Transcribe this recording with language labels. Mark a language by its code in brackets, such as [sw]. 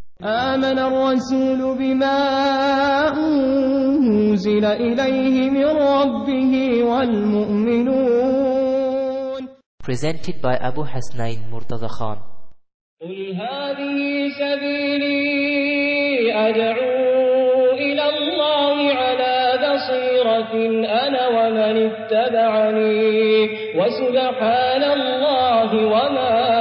[ar] آمن الرسول بما أنزل إليه من ربه والمؤمنون. [en] Presented by Abu Hasnain Murtaza Khan. [ar] قل هذه سبيلي أدعو إلى الله على بصيرة أنا ومن اتبعني وسبحان الله وما